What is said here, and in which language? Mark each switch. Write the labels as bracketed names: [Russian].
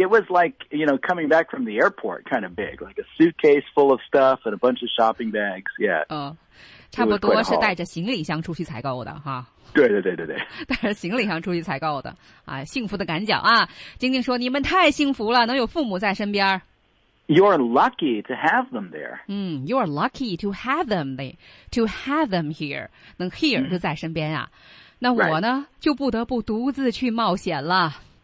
[English] It was like you know coming back from the airport, kind of big, like a suitcase full of stuff and a bunch of shopping bags. Yeah. [Chinese] 差不多是带着行李箱出去采购的哈。对对对对对。带着行李箱出去采购的啊，幸福的赶脚啊！晶晶说：“你们太幸福了，能有父母在身边。” [English] You're lucky to have them there. You're lucky to have them there, to have them here. [Chinese] 能 here、mm. 就在身边啊。那我呢、 [English] right. [Chinese] 就不得不独自去冒险了。